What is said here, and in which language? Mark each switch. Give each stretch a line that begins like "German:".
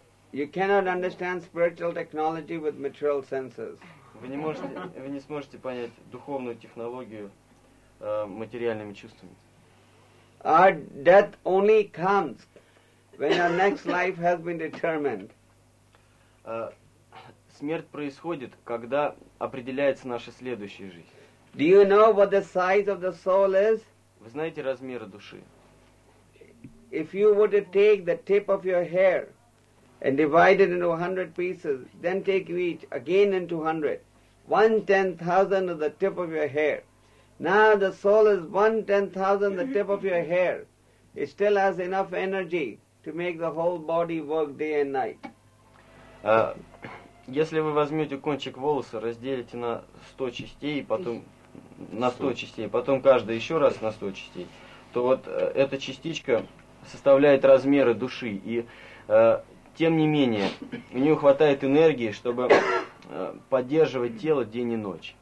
English: You cannot understand spiritual technology with material senses.
Russian: Вы не сможете понять духовную технологию материальными чувствами.
English: Our death only comes when our next life has been determined.
Russian: Смерть происходит, когда определяется наша следующая жизнь.
English: Do you know what the size of the soul is?
Russian: Вы знаете размеры души?
English: If you were to take the tip of your hair and divide it into 100 pieces, then take each again into 100, 1/10,000 of the tip of your hair. Now the soul is 1/10,000 the tip of your hair. It still has enough energy to make the whole body work day and night.
Russian: Если вы возьмете кончик волоса, разделите на 100 частей, потом на 100 частей, потом каждый еще раз на 100 частей, то вот эта частичка составляет размеры души. И тем не менее, у нее хватает энергии, чтобы поддерживать тело день и ночь.